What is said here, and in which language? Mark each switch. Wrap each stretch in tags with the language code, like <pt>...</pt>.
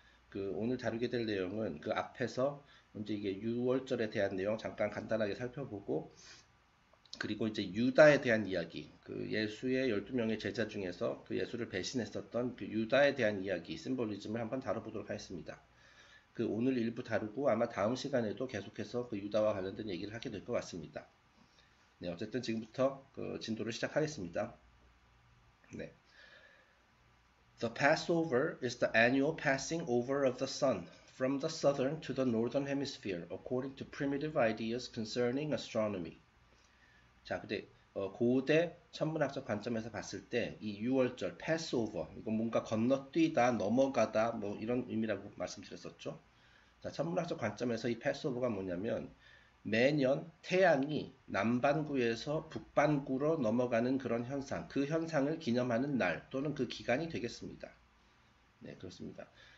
<ko>그 오늘 다루게 될 내용은 그 앞에서 이제 이게 유월절에 대한 내용 잠깐 간단하게 살펴보고 그리고 이제 유다에 대한 이야기, 그 예수의 12명의 제자 중에서 그 예수를 배신했었던 그 유다에 대한 이야기, 심볼리즘을 한번 다뤄보도록 하겠습니다. 그 오늘 일부 다루고 아마 다음 시간에도 계속해서 그 유다와 관련된 얘기를 하게 될것 같습니다. 네, 어쨌든 지금부터 그 진도를 시작하겠습니다. 네.</ko> <en>The Passover is the annual passing over of the sun from the southern to the northern hemisphere according to primitive ideas concerning astronomy.</en> <ko>자, 근데 고대 천문학적 관점에서 봤을 때이 유월절 Passover 이건 뭔가 건너뛰다, 넘어가다 뭐 이런 의미라고 말씀드렸었죠. 자, 천문학적 관점에서 이 Passover가 뭐냐면 매년 태양이 남반구에서 북반구로 넘어가는 그런 현상, 그 현상을 기념하는 날 또는 그 기간이 되겠습니다. 네, 그렇습니다.</ko>